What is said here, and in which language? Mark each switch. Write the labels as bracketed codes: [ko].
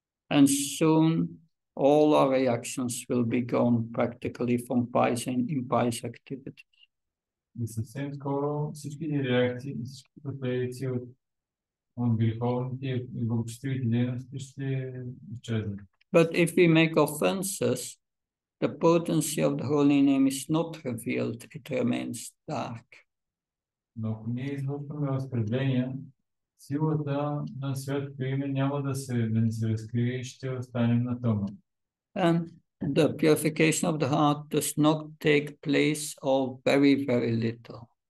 [en] And soon all our reactions will be gone practically from pious and impious activities. [bg] И съвсем скоро всички реакции и всички последици от греховните и благочестивите дейности ще изчезнат. [en] But if we make offenses, the potency of the holy name is not revealed, it remains dark. [bg] Но ако ние извършваме оскърбления, силата на святото име няма да се, да не се разкрие и ще останем на тъмно. [en] The purification of the heart does not take place of very, very little.